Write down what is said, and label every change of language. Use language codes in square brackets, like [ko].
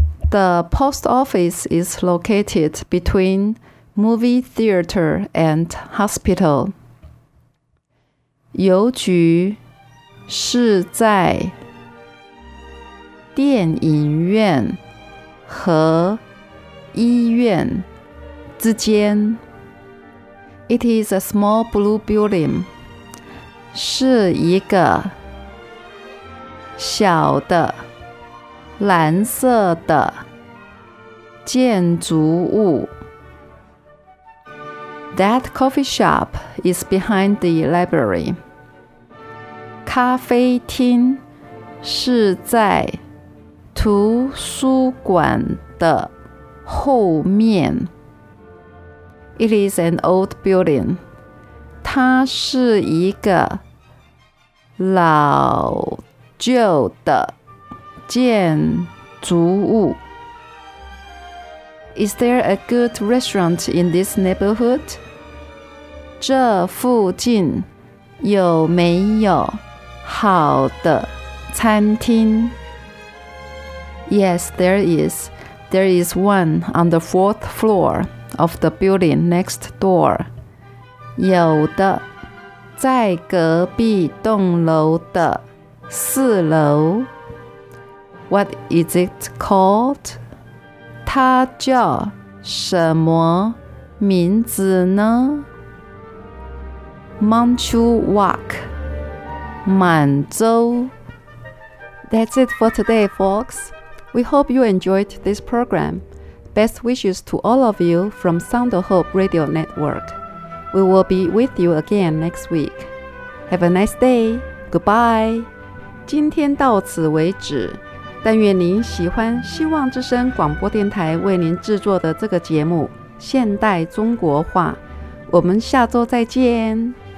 [en] The post office is located between movie theater and hospital. [zh] 邮局是在电影院和医院之间。 [en] It is a small blue building. [zh] 是一个小的蓝色的建筑物。 [en] That coffee shop is behind the library. [zh] 咖啡厅是在图书馆的后面。 [en] It is an old building. [zh] 它是一个老旧的建筑物。 [en] Is there a good restaurant in this neighborhood? [zh] 这附近有没有好的餐厅? [en] Yes, there is. There is one on the fourth floor of the building next door. [zh] 有的。在隔壁栋楼的四楼。 [en] What is it called? [zh] 它叫什么名字呢? Manchu Wok, 满洲。 [en] That's it for today, folks. We hope you enjoyed this program. Best wishes to all of you from Sound of Hope Radio Network. We will be with you again next week. Have a nice day. Goodbye. [zh] 今天到此为止。但愿您喜欢希望之声广播电台为您制作的这个节目《现代中国话》。我们下周再见。